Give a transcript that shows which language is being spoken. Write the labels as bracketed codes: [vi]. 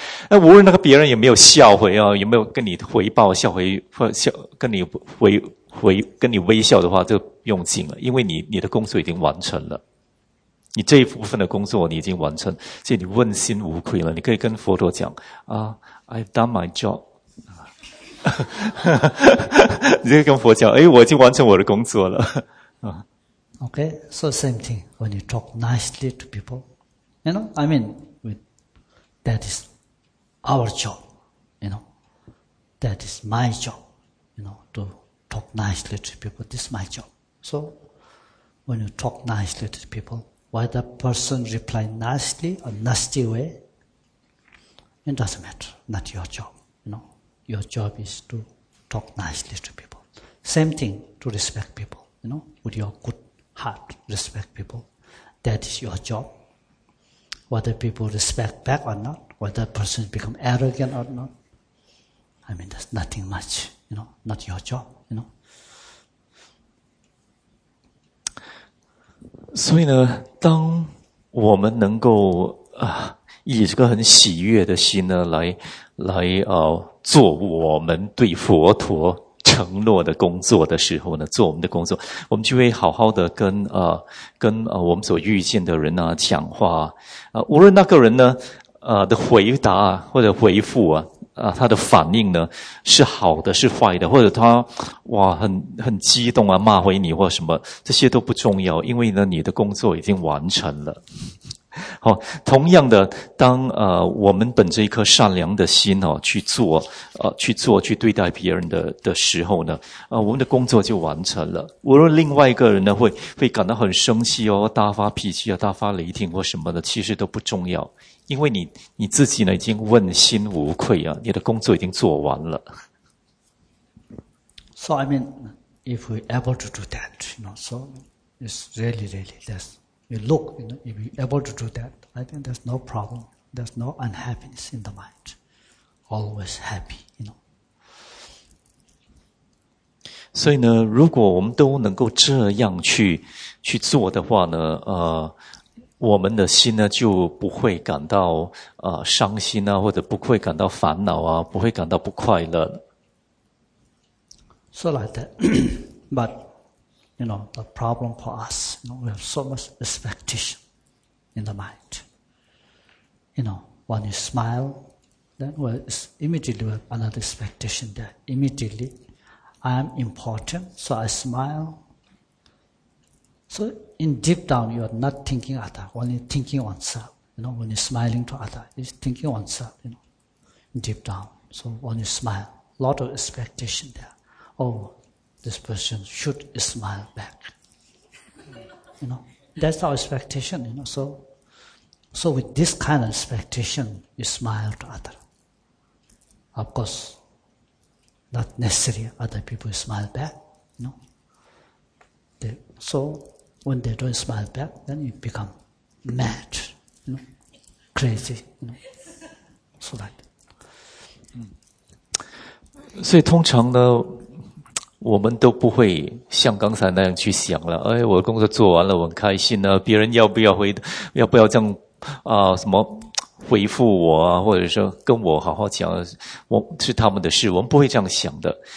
[zh] 那无论那个别人有没有笑回啊，有没有跟你回报笑回或笑跟你回跟你微笑的话，就用尽了，因为你的工作已经完成了，你这一部分的工作你已经完成，所以你问心无愧了。你可以跟佛陀讲啊 ， [en] I've done my job。 [zh] 你可以跟佛讲，哎，我已经完成我的工作了啊。 [en] Okay, so same thing, when you talk nicely to people, you know, I mean, that is our job, you know, that is my job, you know, to talk nicely to people, this is my job. So, when you talk nicely to people, whether the person reply nicely or nasty way, it doesn't matter, not your job, you know, your job is to talk nicely to people. Same thing, to respect people, you know, with your good heart, respect people. That is your job. Whether people respect back or not, whether person become arrogant or not, I mean, there's nothing much, you know, not your job, you know. [zh] 所以呢，当我们能够以这个很喜悦的心呢，来做我们对佛陀承诺的工作的时候呢，做我们的工作，我们就会好好的跟我们所遇见的人啊讲话啊，无论那个人呢的回答啊或者回复啊他的反应呢是好的是坏的，或者他哇很激动啊骂回你或什么，这些都不重要，因为呢你的工作已经完成了。好，同样的，当我们本着一颗善良的心哦，去做去对待别人的时候呢，我们的工作就完成了。无论另外一个人呢会感到很生气哦，大发脾气啊，大发雷霆或什么的，其实都不重要，因为你自己呢已经问心无愧啊，你的工作已经做完了。 [en] So I mean, if we able to do that, you know, so it's really, really less. You look, you know, if you're able to do that, I think there's no problem. There's no unhappiness in the mind. Always happy, you know. [zh] 所以呢，如果我们都能够这样去做的话呢，我们的心呢就不会感到伤心啊，或者不会感到烦恼啊，不会感到不快乐。 [en] So like that, but. You know, the problem for us, you know, we have so much expectation in the mind. You know, when you smile, then immediately we have another expectation there. Immediately, I am important, so I smile. So, in deep down, you are not thinking other, only thinking oneself. You know, when you're smiling to other, you're thinking oneself, you know, deep down. So, when you smile, a lot of expectation there. Oh, this person should smile back. You know, that's our expectation, you know. So with this kind of expectation, you smile to other. Of course, not necessary other people smile back, you know. So when they don't smile back, then you become mad, you know, crazy, you know. So that. [zh] 所以通常呢我们都不会像刚才那样去想了，哎，我的工作做完了，我很开心啊，别人要不要回，要不要这样啊、什么回复我啊，或者说跟我好好讲，我是他们的事，我们不会这样想的。